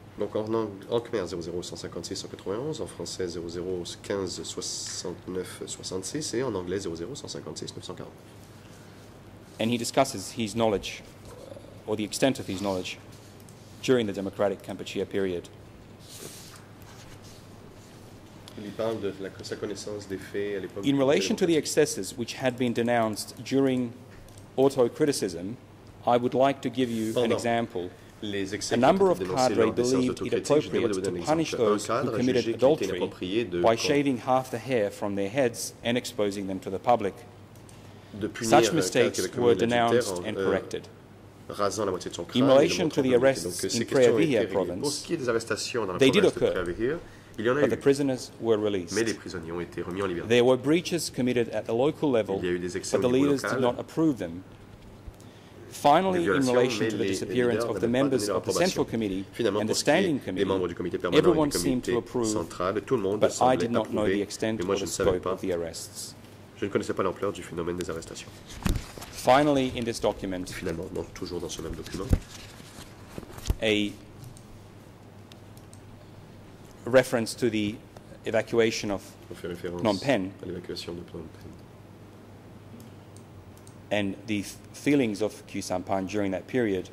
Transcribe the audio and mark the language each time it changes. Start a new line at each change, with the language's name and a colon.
French: Donc en Khmer 0015691, en français 0015966 et en anglais 0015649.
English: And he discusses his knowledge, or the extent of his knowledge, during the Democratic Kampuchea period.
French: Il parle de sa connaissance des faits à l'époque.
English: In relation to the excesses which had been denounced during autocriticism, I would like to give you an example. A number of cadres believed it appropriate to punish those who committed adultery by shaving half the hair from their heads and exposing them to the public. Such mistakes were denounced and corrected. In relation to the arrests in Preah Vihear province, they did occur, but the prisoners were released. There were breaches committed at the local level, but the leaders did not approve them. Finally, in relation to the disappearance of the members of the Central Committee and the Standing Committee, everyone seemed to approve, but I did not know the extent or the scope of the arrests.
French: Je ne connaissais pas l'ampleur du phénomène des arrestations.
English: Finally, in this document,
French: finalement, non, toujours dans ce même document,
English: a reference to the evacuation of Phnom Penh,
French: à l'évacuation de Phnom Penh,
English: and the feelings of Q Sampan during that period.